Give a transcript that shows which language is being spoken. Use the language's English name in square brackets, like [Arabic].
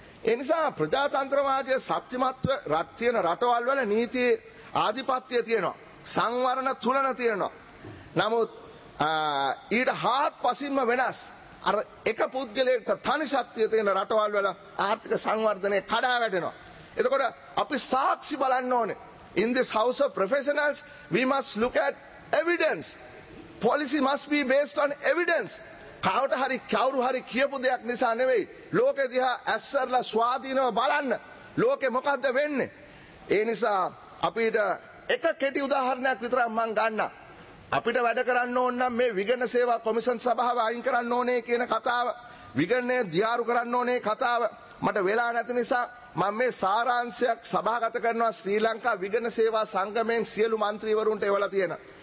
[Sinhala] ඒ නිසා ප්‍රජාතන්ත්‍රවාදයේ සත්‍යමත්ව රට තියෙන රටවල් වල නීති ආධිපත්‍ය තියෙනවා. සංවරණ තුලන තියෙනවා. නමුත් ඊට හාත්පසින්ම වෙනස් අර එක පුද්ගලයෙක්ට තනි ශක්තිය තියෙන රටවල් වල ආර්ථික සංවර්ධනය කඩාවැටෙනවා. එතකොට අපි සාක්ෂි බලන්න ඕනේ. [English] In this house of professionals, we must look at evidence. Policy must be based on evidence. [Sinhala] කවුරු හරි කවුරු හරි කියපු දෙයක් නිසා නෙවෙයි. ලෝකෙ දිහා ඇස්සර්ලා ස්වාධීනව බලන්න. ලෝකෙ මොකද්ද වෙන්නේ? ඒ නිසා අපිට එක කෙටි උදාහරණයක් විතරක් මම ගන්න. අපිට වැඩ කරන්න ඕන නම් මේ විගණන සේවා කොමිෂන් සභාව අයින් කරන්න ඕනේ කියන කතාව, විගණනේ දියාරු කරන්න ඕනේ කතාව මට වෙලා නැති නිසා මම මේ සාරාංශයක් සභාගත කරනවා ශ්‍රී ලංකා විගණන සේවා සංගමයෙන් සියලු මන්ත්‍රීවරුන්ට එවලා තියෙන.